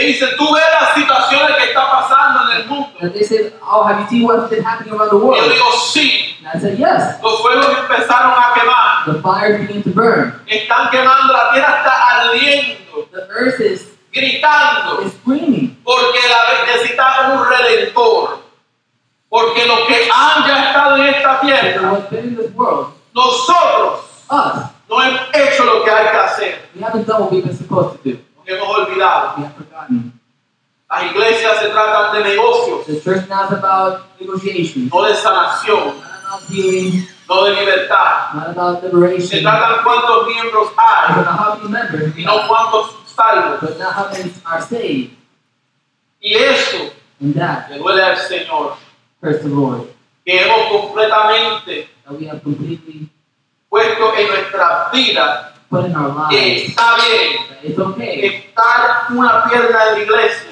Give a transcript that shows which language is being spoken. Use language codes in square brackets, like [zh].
[es] dicen, tú ves las situaciones que están pasando en el mundo. [en] And they said, oh, have you seen what's been happening around the world? [es] Yo digo, sí. [en] And I said, yes. [es] Los fuegos empezaron a quemar. [en] The fires began to burn. [es] Están quemando, la tierra está ardiendo. [en] The earth is [es] gritando. [en] Is screaming. [es] Porque la necesitaban un redentor. Porque los que han ya estado en esta tierra, [en] world, [es] nosotros, [en] us, [es] no hemos hecho lo que hay que hacer. [en] We haven't done what we've been supposed to do. [es] Porque hemos olvidado. [en] We have forgotten. [es] Las iglesias se tratan de negocios. [en] The church now is about negotiations. [es] No de sanación. [en] Not about healing. [es] No de libertad. [en] Not about liberation. [es] Se tratan cuántos miembros hay. [en] It's about how many members. [es] Y no cuántos salvos. [en] But not how many are saved. [es] Y eso. [en] And that. [es] Le duele al Señor. [en] Curse the Lord. [es] Que hemos completamente. [en] That we have completely. [es] Puesto en nuestra vida, [en] put in our lives, [es] está bien, [en] it's okay, [es] estar una pierna en la iglesia,